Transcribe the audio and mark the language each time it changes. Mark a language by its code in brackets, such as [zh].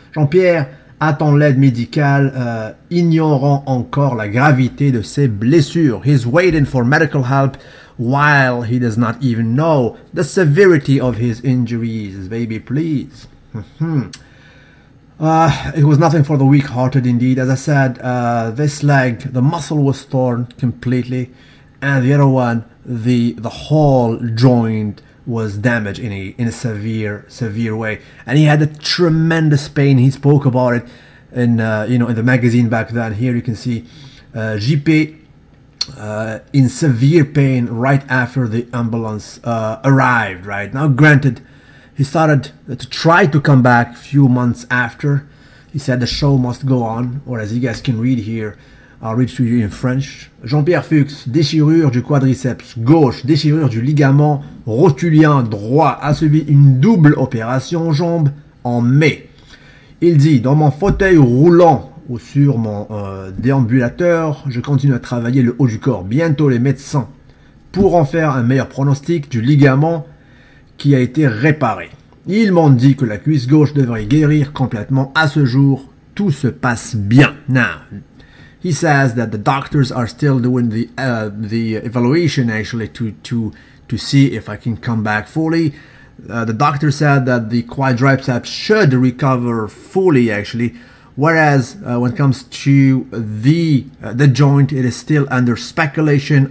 [fr] Jean-Pierre attend l'aide médicale, ignorant encore la gravité de ses blessures. [en] He's waiting for medical help while he does not even know the severity of his injuries. Baby, please. It was nothing for the weak-hearted indeed. As I said, this leg, the muscle was torn completely, and the other one, the whole joint was damaged in a severe way. And he had a tremendous pain. He spoke about it in in the magazine back then. Here you can see JP in severe pain right after the ambulance arrived, right? Now, granted, he started to try to come back a few months after. He said the show must go on, or as you guys can read here, I'll read to you in French. [fr] Jean-Pierre Fuchs, déchirure du quadriceps gauche, déchirure du ligament rotulien droit, a subi une double opération aux jambes en mai. Il dit, dans mon fauteuil roulant ou sur mon déambulateur, je continue à travailler le haut du corps. Bientôt les médecins pourront faire un meilleur pronostic du ligament qui a été réparé. Ils m'ont dit que la cuisse gauche devrait guérir complètement. À ce jour, tout se passe bien. [en] Now, he says that the doctors are still doing the evaluation actually to see if I can come back fully. The doctor said that the quadriceps should recover fully actually, whereas when it comes to the joint, it is still under speculation.